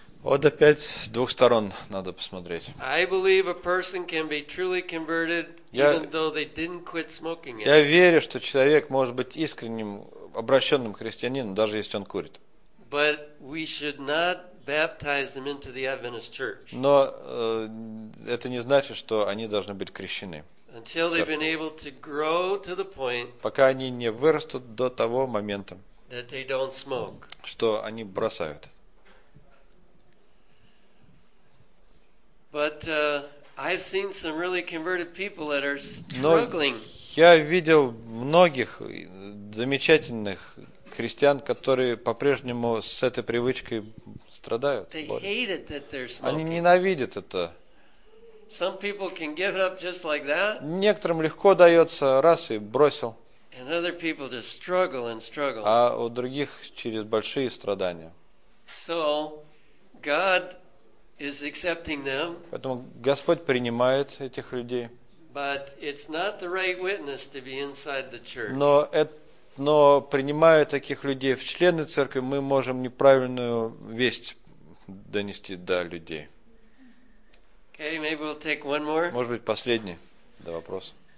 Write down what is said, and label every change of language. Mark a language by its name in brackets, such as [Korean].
[Russian] Вот опять с двух сторон надо посмотреть. [English] I believe a person can be truly converted even though they didn't quit smoking. [Russian] Я верю, что человек может быть искренним обращенным христианином, даже если он курит. [English] But we should not baptize them into the Adventist Church. [Russian] Но это не значит, что они должны быть крещены. [English] Until they've been able to grow to the point. [Russian] Пока они не вырастут до того момента. [English] That they don't smoke. [Russian] Что они бросают. [English] But I've seen some really converted people that are struggling. [Russian] Я видел многих замечательных христиан, которые по-прежнему с этой привычкой страдают. Они ненавидят это. [English] Some people can give it up just like that. [Russian] Некоторым легко дается, раз и бросил. [English] And other people just struggle and struggle. [Russian] А у других через большие страдания. [English] So God is accepting them. [Russian] Поэтому Господь принимает этих людей. [English] But it's not the right witness to be inside the church. [Russian] Но принимая таких людей в члены церкви, мы можем неправильную весть донести до людей. [English] Okay, maybe we'll take one more. [Russian] Может быть, последний до вопрос.